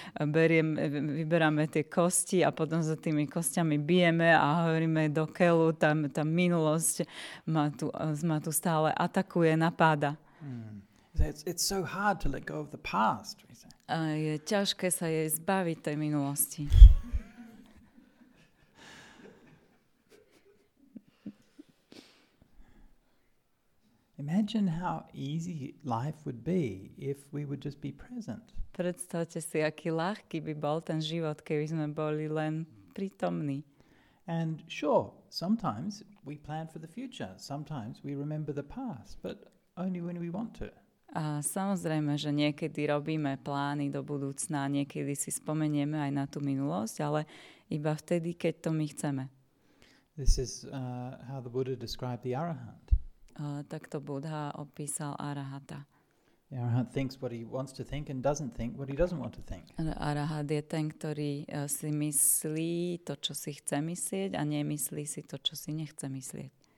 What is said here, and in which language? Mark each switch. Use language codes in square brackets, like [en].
[sk] Vyberáme tie kosti a potom za tými kostiami bijeme a hovoríme do keľu, tá minulosť ma tu stále atakuje, napáda. [en] It's so hard to let go of the past. [sk] Je ťažké sa jej zbaviť tej minulosti. [en] Imagine how easy life would be if we would just be present. [sk] Predstavte si, aký ľahký by bol ten život, keby sme boli len prítomní. [en] And sure, sometimes we plan for the future. Sometimes we remember the past, but only when we want to. [sk] A samozrejme, že niekedy robíme plány do budúcna, niekedy si spomenieme aj na tú minulosť, ale iba vtedy, keď to my chceme. [en] This is how the Buddha described the Arahant. [sk] Takto Buddha opísal arahata. [en] The arahant thinks what he wants to think and doesn't think what he doesn't want to think. [sk] Arahat je ten, ktorý si myslí to, čo si chce myslieť a nemyslí si to, čo si nechce myslieť.